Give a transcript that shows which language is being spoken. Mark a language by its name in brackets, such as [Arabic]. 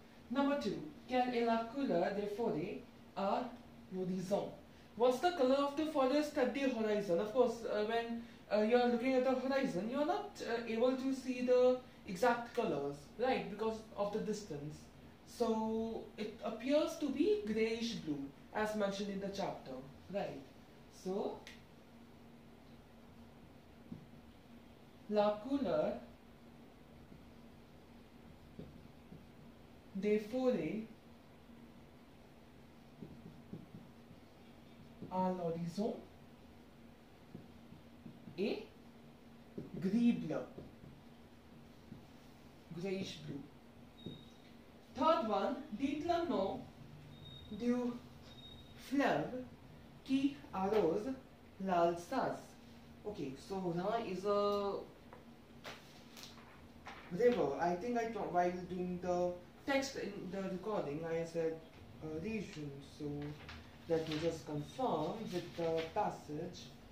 [English] Number two, [French] quelle est la couleur des forêts à l'horizon? [English] What's the color of the forest at the horizon? Of course, when you're looking at the horizon, you're not able to see the exact colors, right, because of the distance. So it appears to be grayish blue, as mentioned in the chapter, right? [French] So, la couleur des forêts à l'horizon est gris bleu, [English] grayish blue. Third one, [French] dites le nom du fleuve qui arrose l'Alsace. [English] Okay, so Rhin is a river. I think I thought while doing the text in the recording, I said a region. So let me just confirm with the passage.